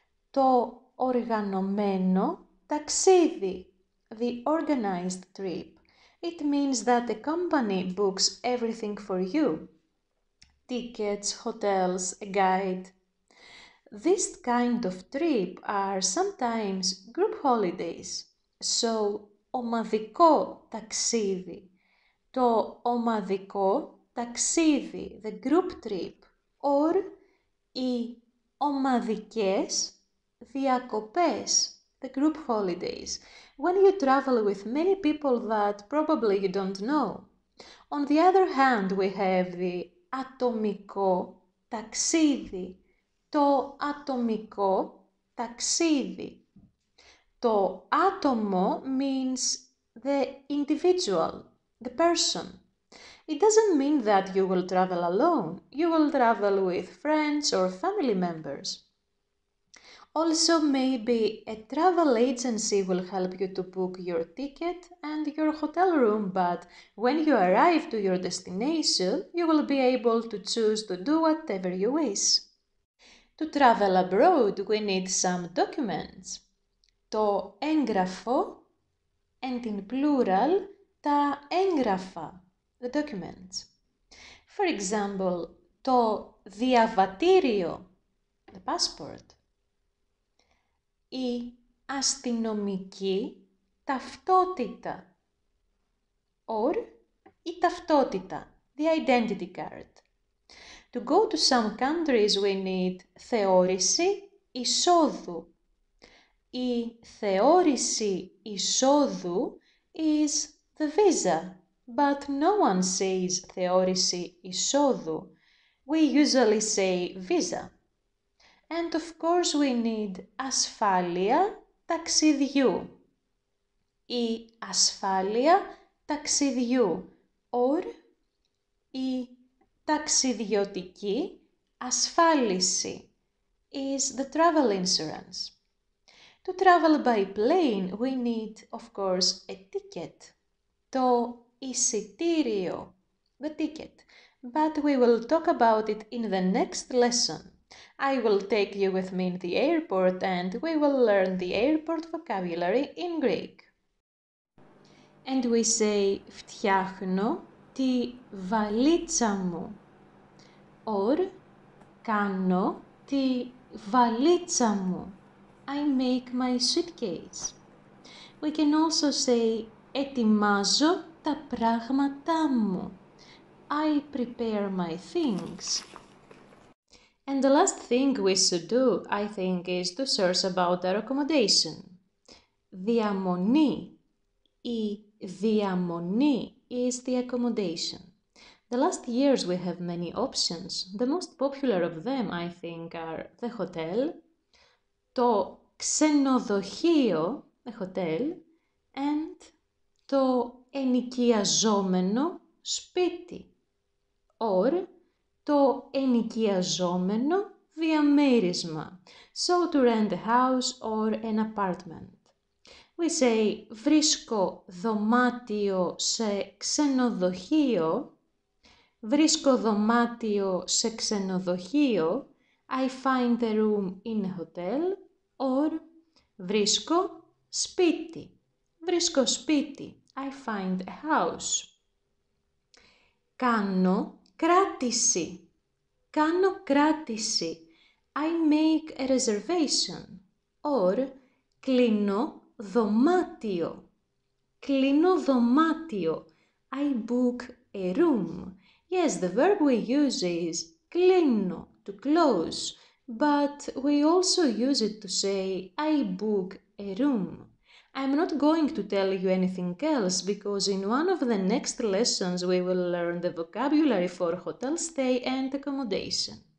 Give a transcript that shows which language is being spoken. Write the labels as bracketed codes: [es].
[el] Το οργανωμένο ταξίδι, [en] the organized trip. It means that a company books everything for you. Tickets, hotels, a guide. This kind of trip are sometimes group holidays. [el] So, ομαδικό ταξίδι. Το ομαδικό ταξίδι, [en] the group trip, or [el] οι ομαδικές διακοπές, [en] the group holidays, when you travel with many people that probably you don't know. On the other hand, we have the [el] ατομικό ταξίδι, το ατομικό ταξίδι. Το άτομο [en] means the individual, the person. It doesn't mean that you will travel alone. You will travel with friends or family members. Also, maybe a travel agency will help you to book your ticket and your hotel room, but when you arrive to your destination, you will be able to choose to do whatever you wish. To travel abroad, we need some documents. [el] Το έγγραφο, [en] and in plural, [el] τα έγγραφα. [en] The documents. For example, [el] το διαβατήριο, [en] the passport. [el] Η αστυνομική ταυτότητα. [en] Or, [el] η ταυτότητα, [en] the identity card. To go to some countries, we need [el] θεώρηση εισόδου. Η θεώρηση εισόδου [en] is the visa. But no one says [el] θεώρηση εισόδου. [en] We usually say visa. And of course we need [el] ασφάλεια ταξιδιού. Η ασφάλεια ταξιδιού. [en] Or [el] η ταξιδιωτική ασφάλιση [en] is the travel insurance. To travel by plane we need of course a ticket. [el] Το εισιτήριο, [en] the ticket, but we will talk about it in the next lesson. I will take you with me in the airport and we will learn the airport vocabulary in Greek. And we say [el] φτιάχνω τη βαλίτσα μου or κάνω τη βαλίτσα μου. [en] I make my suitcase. We can also say [el] ετοιμάζω τα πράγματά μου. [en] I prepare my things. And the last thing we should do, I think, is to search about our accommodation. [el] Διαμονή. Η διαμονή [en] is the accommodation. The last years we have many options. The most popular of them, I think, are the hotel, [el] το ξενοδοχείο, [en] the hotel, and [el] το ενοικιαζόμενο σπίτι, [en] or [el] το ενοικιαζόμενο διαμέρισμα, [en] so to rent a house or an apartment. We say [el] βρίσκω δωμάτιο σε ξενοδοχείο. Βρίσκω δωμάτιο σε ξενοδοχείο. [en] I find a room in a hotel. Or [el] βρίσκω σπίτι. Βρίσκω σπίτι. [en] I find a house. [el] Κάνω κράτηση. Κάνω κράτηση. [en] I make a reservation. [el] Or κλείνω δωμάτιο. Κλείνω δωμάτιο. [en] I book a room. Yes, the verb we use is κλείνω, to close, but we also use it to say I book a room. I'm not going to tell you anything else because in one of the next lessons we will learn the vocabulary for hotel stay and accommodation.